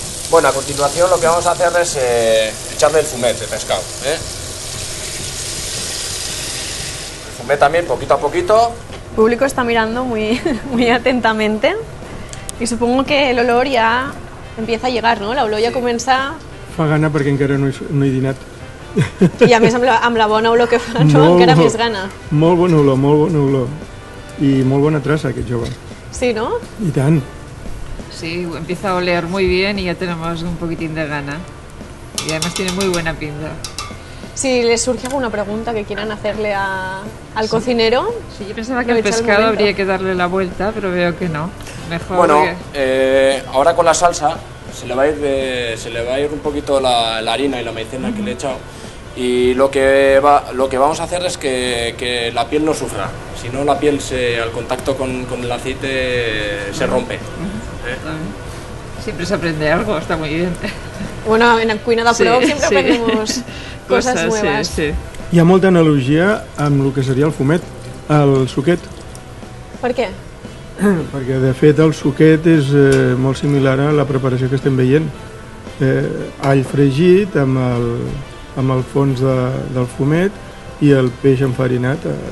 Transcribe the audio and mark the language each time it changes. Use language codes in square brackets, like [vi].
[es] Bueno, a continuación lo que vamos a hacer es echarle el fumet de pescado, ¿eh? El fumet también, poquito a poquito. El público está mirando muy, muy atentamente y supongo que el olor ya empieza a llegar, ¿no? La olor ya sí. Comienza... [ca] Fa gana porque encara no he dinat. [es] Y a mí [ca] amb la bona olor que fa, no? Molt, encara més gana. Molt bon olor, molt bon olor. Y molt bona traça, aquest jove. [es] Sí, ¿no? [ca] I tant. [es] Sí, empieza a oler muy bien y ya tenemos un poquitín de gana. Y además tiene muy buena pinta. Si les surge alguna pregunta que quieran hacerle al sí. Cocinero... Sí, yo pensaba que el pescado habría que darle la vuelta, pero veo que no. Mejor bueno, ahora con la salsa se le va a ir un poquito la harina y la maicena que le he echado. Y lo que vamos a hacer es que la piel no sufra. Si no, la piel al contacto con el aceite se rompe. Siempre se aprende algo, está muy bien. Bueno, en la cuina de prop sí, siempre sí. Aprendemos cosas nuevas. Sí, sí. [ca] Hi ha molta analogia amb el que seria el fumet, el suquet. Per què? Perquè, de fet, el suquet és molt similar a la preparació que estem veient. All fregit amb el fons del fumet i el peix enfarinat.